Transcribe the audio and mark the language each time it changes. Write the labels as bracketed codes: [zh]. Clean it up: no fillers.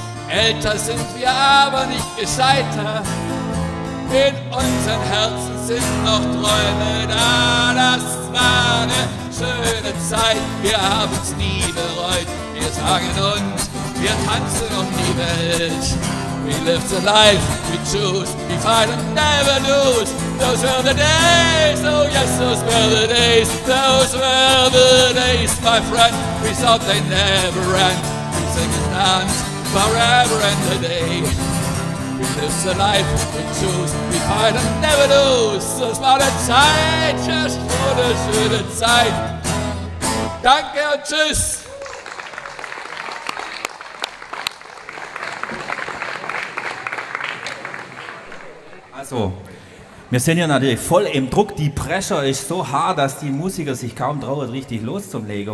[de] Älter sind wir, aber nicht gescheiter. In unseren Herzen sind noch Träume da. Das war eine schöne Zeit, wir haben's nie bereut. Wir sagen uns, wir tanzen um die Welt. [en] We live the life, we choose, we fight and never lose. Those were the days, oh yes, those were the days. Those were the days, my friend, we thought they never end. We sing and dance forever and a day. We live the life, we choose, we fight and never lose. [de] Das war eine Zeit, [en] just for the [de] schöne Zeit. Danke und tschüss! Also, wir sind ja natürlich voll im Druck. Die Pressure ist so hart, dass die Musiker sich kaum trauen, richtig loszulegen.